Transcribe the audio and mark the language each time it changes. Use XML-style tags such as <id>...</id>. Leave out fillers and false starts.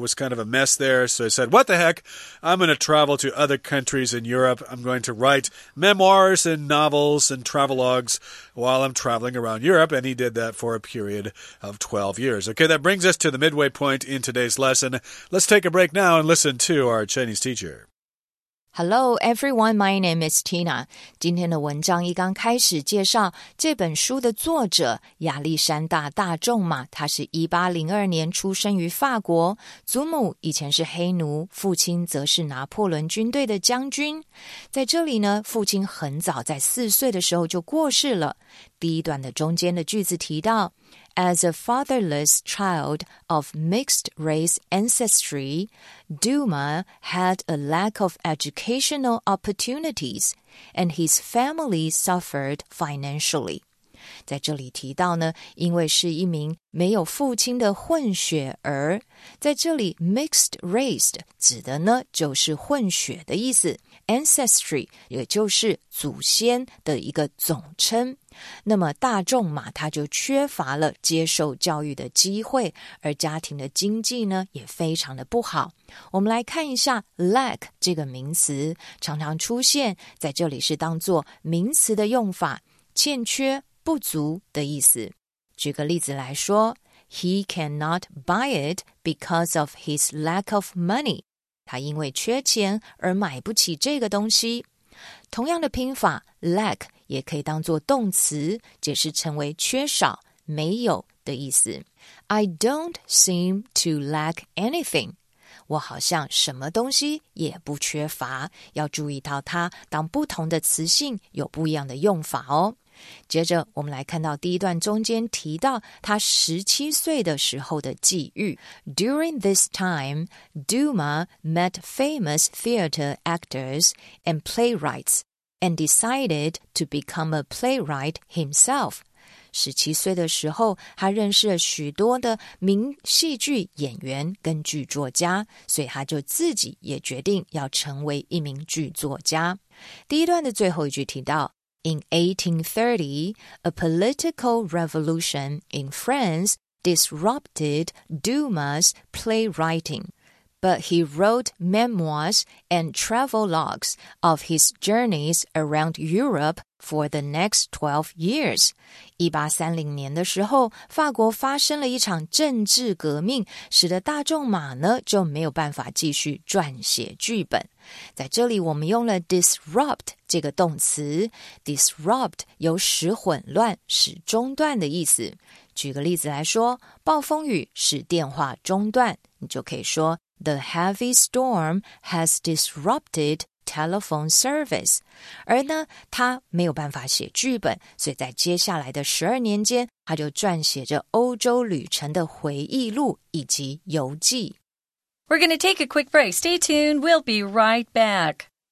<en>It was kind of a mess there. So I said, what the heck? I'm going to travel to other countries in Europe. I'm going to write memoirs and novels and travelogues while I'm traveling around Europe. And he did that for a period of 12 years. Okay, that brings us to the midway point in today's lesson. Let's take a break now and listen to our Chinese teacher. Hello, everyone. My name is Tina.</en> <zh>今天的文章一刚开始介绍这本书的作者亚历山大大仲马，他是1802年出生于法国，祖母以前是黑奴，父亲则是拿破仑军队的将军。在这里呢，父亲很早在四岁的时候就过世了。第一段的中间的句子提到</zh> <en>,As a fatherless child of mixed race ancestry,Dumas had a lack of educational opportunities, and his family suffered financially.</en> <zh>在这里提到呢，因为是一名没有父亲的混血儿，在这里 mixed race 指的呢就是混血的意思， ancestry 也就是祖先的一个总称。那么大仲马他就缺乏了接受教育的机会，而家庭的经济呢也非常的不好。我们来看一下 lack 这个名词常常出现在这里，是当作名词的用法，欠缺不足的意思。举个例子来说，</zh> <en>He cannot buy it because of his lack of money.</en> <zh>他因为缺钱而买不起这个东西。同样的拼法 lack也可以当作动词，解释成为缺少、没有的意思。</zh> <en>I don't seem to lack anything.</en> <zh>我好像什么东西也不缺乏。要注意到它当不同的词性有不一样的用法哦。接着我们来看到第一段中间提到他17岁的时候的际遇。</zh> <en>During this time, Dumas met famous theater actors and playwrights. And decided to become a playwright himself.</en> <zh>17岁的时候，他认识了许多的名戏剧演员跟剧作家，所以他就自己也决定要成为一名剧作家。第一段的最后一句提到</zh> <en>,In 1830, a political revolution in France disrupted Dumas' playwriting. but he wrote memoirs and travel logs of his journeys around Europe for the next 12 years.</en> <zh>1830年的时候，法国发生了一场政治革命，使得大仲马呢就没有办法继续撰写剧本。在这里我们用了 disrupt 这个动词， disrupt 有使混乱、使中断的意思。举个例子来说，暴风雨使电话中断，你就可以说</zh> <en>The heavy storm has disrupted telephone service.</en> <zh>而呢，他没有办法写剧本，所以在接下来的12年间，他就撰写着欧洲旅程的回忆录以及游记。</zh> <en>We're going to take a quick break. Stay tuned. We'll be right back.</en>